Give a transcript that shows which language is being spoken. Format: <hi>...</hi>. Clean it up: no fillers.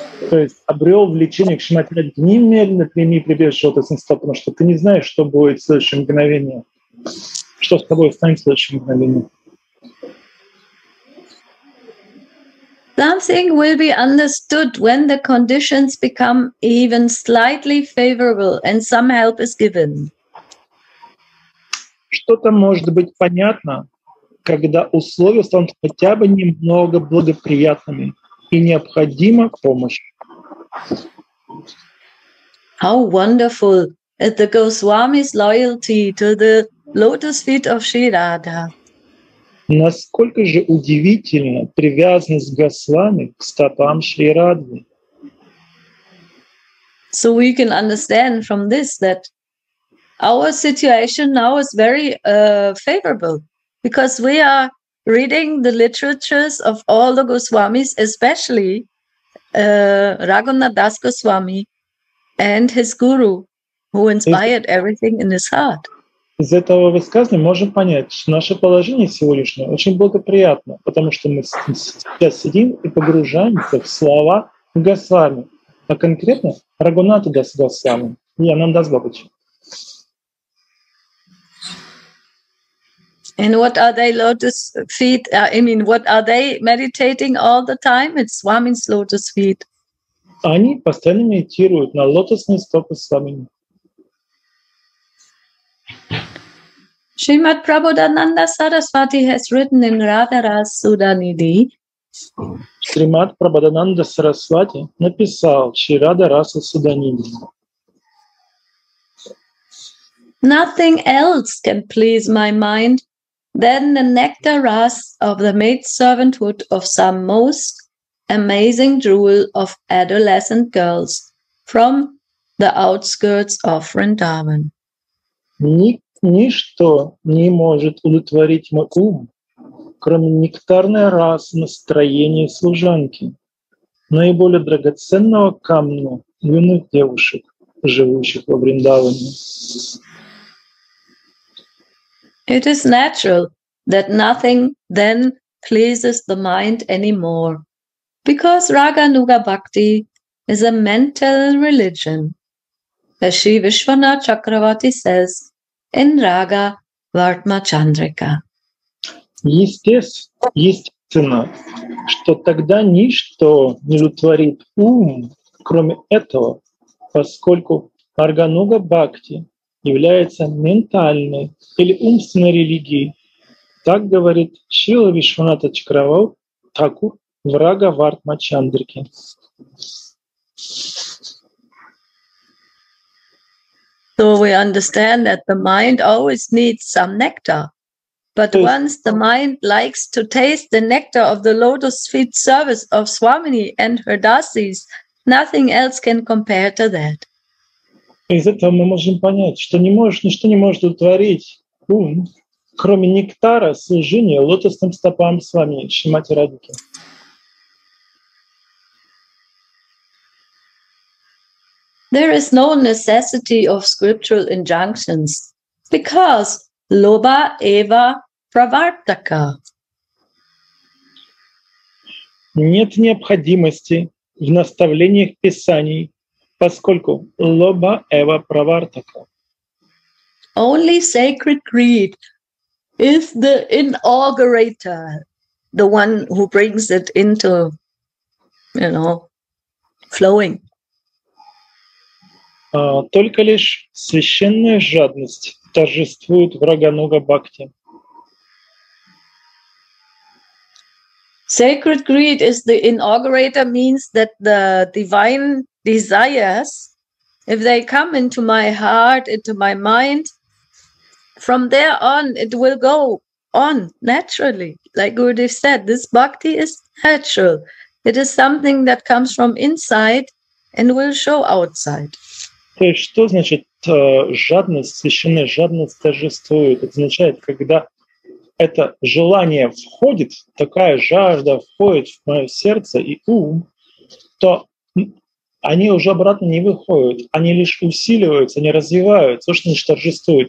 <ru>То есть обрел влечение к Шримати Радхике. Немедленно прими прибежище от Эссенства, потому что ты не знаешь, что будет в следующее мгновение, что с тобой станет в следующее мгновение.</ru> <en>Something will be understood when the conditions become even slightly favorable and some help is given.</en> <ru>Что-то может быть понятно, когда условия станут хотя бы немного благоприятными и необходима помощь.</ru> <en>How wonderful is the Goswami's loyalty to the lotus feet of Sri Radha.</en> <ru>Насколько же удивительна привязанность Госвами к стопам Шри Радхи.</ru> <en>So we can understand from this that our situation now is very favorable because we are reading the literatures of all the Goswamis, especially Raghunath Das Goswami and his guru, who inspired everything in his heart.</en> <ru>Из этого высказания можем понять, что наше положение сегодняшнее очень благоприятно, потому что мы сейчас сидим и погружаемся в слова Госвами, а конкретно Рагунату Дас Госвами. Я нам даст Бабаджи.</ru> <en>And what are they lotus feet? I mean, what are they meditating all the time? It's Swami's lotus feet.</en> <ru>Они постоянно медитируют на лотосные стопы Свами.</ru> <en>Srimad Prabodhananda Sarasvati has written in Radharas Sudanidhi.</en> <ru>Srimad Prabodhananda Sarasvati написал Шри Радхарасу Суданиди.</ru> <en>Nothing else can please my mind than the nectar rasa of the maid servanthood of some most amazing jewel of adolescent girls from the outskirts of Vrindavan.</en> <ru>Ничто не может удовлетворить мой ум, кроме нектарной расы настроения служанки, наиболее драгоценного камня юных девушек, живущих во Вриндаване.</ru> <en>It is natural that nothing then pleases the mind anymore, because Raganuga Bhakti is a mental religion. As Sri Vishwanath Chakravarti says in Raga Vartma Chandrika.</en> <ru>Естественно, что тогда ничто не удовлетворит ум, кроме этого, поскольку Рагануга Бхакти является ментальной или умственной религией. Так говорит Шрила Вишванатха Чакраварти Такур в Рага Вартма Чандрике.</ru> <en>So we understand that the mind always needs some nectar. But once the mind likes to taste the nectar of the lotus feet service of Swamini and her dasis, nothing else can compare to that.</en> <ru>Из этого мы можем понять, что ничто не может удовлетворить ум, кроме нектара служения лотосным стопам с вами, Шримати Радхике.</ru> <en>There is no necessity of scriptural injunctions, because loba eva pravartaka.</en> <ru>Нет необходимости в наставлениях писаний, поскольку лоба эва правартака.</ru> <en>Only sacred greed is the inaugurator, the one who brings it into, you know, flowing.</en> <ru>Только лишь священная жадность торжествует в Рагануга Бхакти.</ru> <en>Sacred greed is the inaugurator means that the divine desires, if they come into my heart, into my mind, from there on it will go on naturally. Like Gurudev said, this bhakti is natural. It is something that comes from inside and will show outside.</en> <ru>То есть, что значит жадность, священная жадность торжествует? Это означает, когда это желание входит, такая жажда входит в мое сердце и ум, то они уже обратно не выходят, они лишь усиливаются, они развиваются, то, что значит торжествует.</ru>